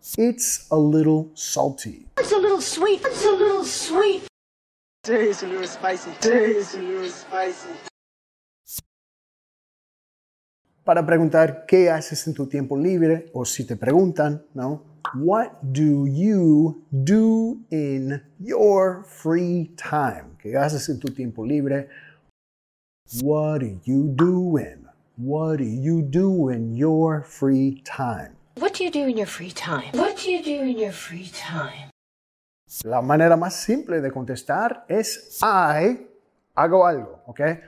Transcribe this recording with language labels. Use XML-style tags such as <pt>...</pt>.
<en>It's a little salty. It's a little sweet. It's a little sweet. Tastes a little spicy. Tastes a little spicy.</en> <es>para preguntar qué haces en tu tiempo libre o si te preguntan, ¿no?</es> <en>What do you do in your free time?</en> <es>¿Qué haces en tu tiempo libre?</es> <en>What are you doing? What do you do in your free time? What do you do in your free time? What do you do in your free time?</en> <es>La manera más simple de contestar es I hago algo, ¿ok?</es>